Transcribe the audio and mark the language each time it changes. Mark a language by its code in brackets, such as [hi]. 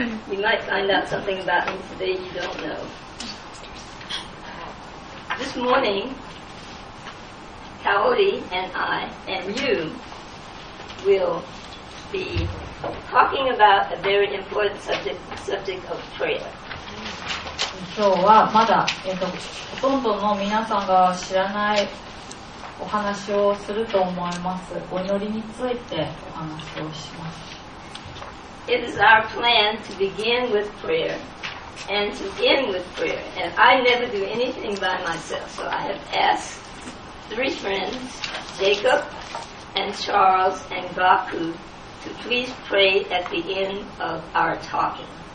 [en] You might find out something about me today you don't know. This morning, Kaori and I and you will be talking about a very important subject of prayer. [ja] 今日はまだ、ほとんどの皆さんが知らないお話をすると思います。お祈りについてお話をします。 [en] It is our plan to begin with prayer and to end with prayer. And I never do anything by myself, so I have asked three friends, Jacob and Charles and Gaku, to please pray at the end of our talking.